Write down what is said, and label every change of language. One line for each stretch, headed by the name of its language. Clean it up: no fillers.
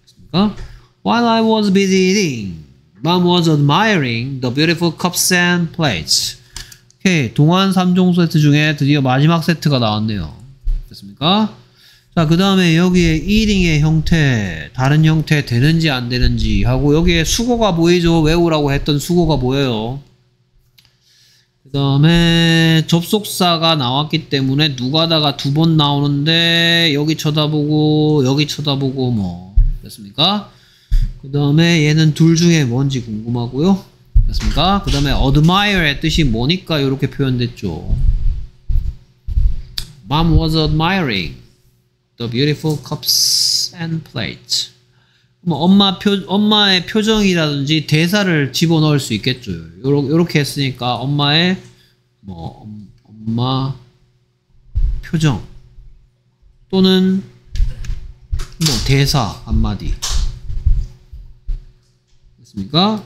Korean: 그러니까,
English: While I was busy eating, Mom was admiring the beautiful cups and plates.
Korean: 오케이 동안 3종 세트 중에 드디어 마지막 세트가 나왔네요 됐습니까? 자 그 다음에 여기에 eating의 형태 다른 형태 되는지 안 되는지 하고 여기에 수고가 보이죠 외우라고 했던 수고가 보여요 그 다음에 접속사가 나왔기 때문에 누가다가 두 번 나오는데 여기 쳐다보고 여기 쳐다보고 뭐 됐습니까? 그 다음에 얘는 둘 중에 뭔지 궁금하고요 됐습니까? 그 다음에 admire의 뜻이 뭐니까 이렇게 표현됐죠.
English: Mom was admiring the beautiful cups and plates.
Korean: 뭐 엄마의 표정이라든지 대사를 집어넣을 수 있겠죠. 요렇게 했으니까 엄마의 뭐 엄마 표정 또는 뭐 대사 한마디 됐습니까?